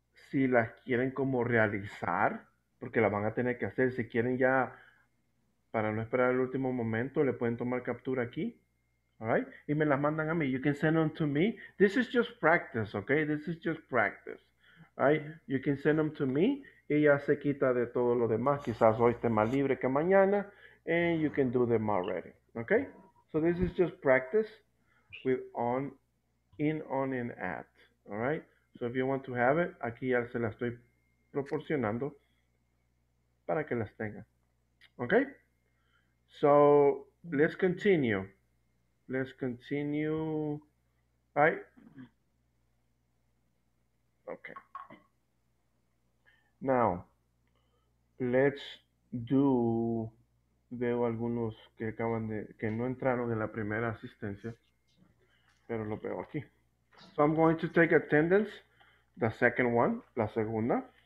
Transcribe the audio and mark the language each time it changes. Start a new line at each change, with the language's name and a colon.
Spanish: Si las quieren como realizar, porque las van a tener que hacer. Si quieren ya, para no esperar el último momento, le pueden tomar captura aquí.
English: All right,
Spanish: y me las mandan a mí.
English: You can send them to me. This is just practice, okay? This is just practice, right? You can send them to me.
Spanish: Y ya se quita de todo lo demás. Quizás hoy esté más libre que mañana.
English: And you can do them already, okay? So this is just practice with on, in, on, and at, all right? So if you want to have it,
Spanish: aquí ya se la estoy proporcionando para que las tengan, okay?
English: So let's continue. Let's continue. All right. Okay. Now, let's do.
Spanish: Veo algunos que acaban de, que no entraron en la primera asistencia, pero lo veo aquí.
English: So I'm going to take attendance, the second one,
Spanish: la segunda.